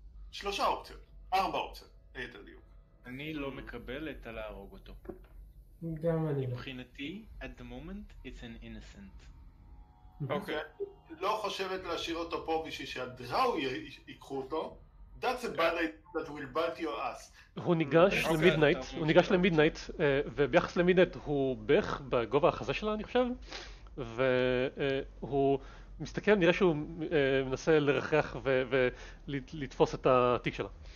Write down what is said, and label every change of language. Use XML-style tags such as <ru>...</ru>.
<he>שלושה אופציות, ארבע אופציות, היתר דיוק. אני לא מקבל את הלהרוג אותו. גם אני לא. מבחינתי,</he> <en>at the moment, it's an innocent.</en> <he>אוקיי. לא חושבת להשאיר אותו פה בשביל שהדראו ייקחו אותו.</he> <en>That's a bad idea that will bite your ass.</en> <he>הוא ניגש למידנייט, וביחס למידנייט הוא בערך בגובה החזה שלה, אני חושב. והוא... מסתכל, נראה שהוא מנסה לרחח ולתפוס את התיק שלה.</he>